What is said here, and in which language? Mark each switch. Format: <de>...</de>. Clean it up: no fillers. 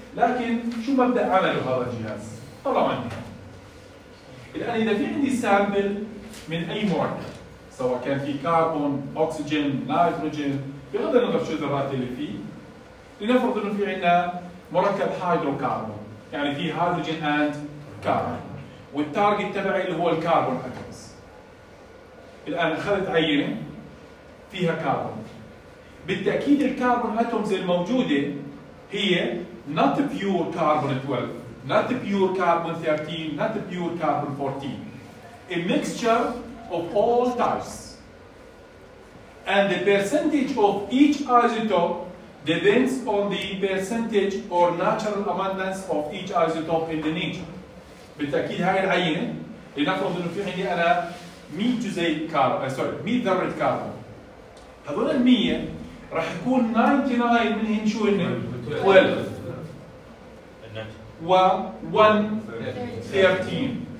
<ar>لكن شو مبدأ عمله هذا الجهاز؟ طلع عندي الآن إذا في عندي سامبل من أي مركب، سواء كان في كربون، أكسجين، نيتروجين، بغض النظر شو الذرات اللي فيه، لنفرض إنه في عندنا مركب هيدروكربون، يعني في هيدروجين and كربون، والتارجت تبعي اللي هو الكربون أتومز. الآن أخذت عينة فيها كربون، بالتأكيد الكربون أتومز الموجودة هي</ar> <en>not pure carbon 12, not pure carbon 13, not pure carbon 14, a mixture of all types, and the percentage of each isotope depends on the percentage or natural abundance of each isotope in the nature.</en> <ar>بالتأكيد هاي العينة، لنفرض إنه في عندي أنا 100 ذرة كربون، هذول 100 راح يكون 99 منهم شو إنه 12 و 1 13.</ar>